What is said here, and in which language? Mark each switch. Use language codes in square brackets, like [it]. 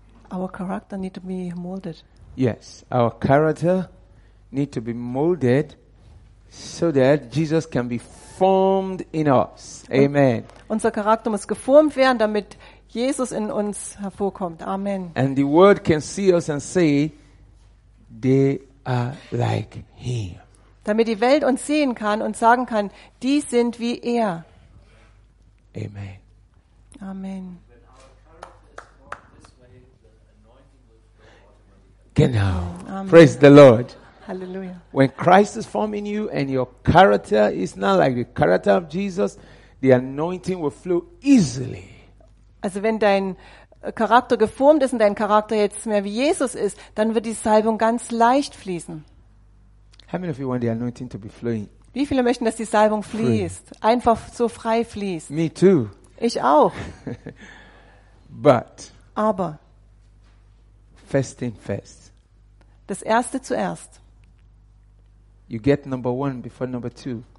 [en] Our character need to be molded. Yes, our character need to be molded so that Jesus can be formed in us. Amen. [de] Unser Charakter muss geformt werden, damit Jesus in uns hervorkommt. Amen. [en] And the world can see us and say they are like him. [de] Damit die Welt uns sehen kann und sagen kann, die sind wie er. Amen. Amen. Genau. [en] Amen. Praise the Lord. Hallelujah. When Christ is forming you and your character is not like the character of Jesus, the anointing will flow easily. [de] Also wenn dein Charakter geformt ist und dein Charakter jetzt mehr wie Jesus ist, dann wird die Salbung ganz leicht fließen. [en] How many of you want the anointing to be flowing? [de] Wie viele möchten, dass die Salbung fließt? Free. Einfach so frei fließt. [en] Me too. [de] Ich auch. [en] But. [de] Aber. [en] First thing first. [de] Das erste zuerst. [en] You get number one before number two.